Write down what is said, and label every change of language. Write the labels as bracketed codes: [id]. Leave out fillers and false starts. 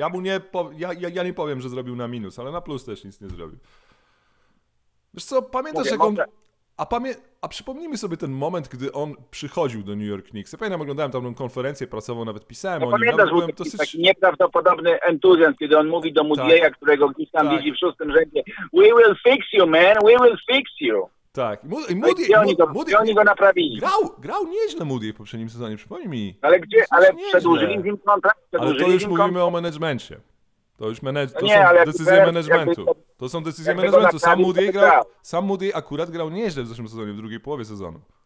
[pl] Ja mu nie, ja nie powiem, że zrobił na minus, ale na plus też nic nie zrobił. Wiesz co, pamiętasz jak on... A przypomnijmy sobie ten moment, gdy on przychodził do New York Knicks. Ja pamiętam, oglądałem tam konferencję prasową, nawet pisałem o nim. Pamiętasz, był dosyć... taki nieprawdopodobny entuzjazm, kiedy on mówi do Moody'ego, tak, którego gdzieś tam widzi w szóstym rzędzie. [en] We will fix you, man, we will fix you. [pl] Tak. I Moody, oni go naprawili. Grał nieźle Moody w poprzednim sezonie, przypomnij mi. Ale gdzie? Ale przedłużyli z nim kontrakt. Ale to już mówimy o menedżmencie. To już to są decyzje managementu. To są decyzje managementu. Sam Moody akurat grał nieźle w zeszłym sezonie, w drugiej połowie sezonu.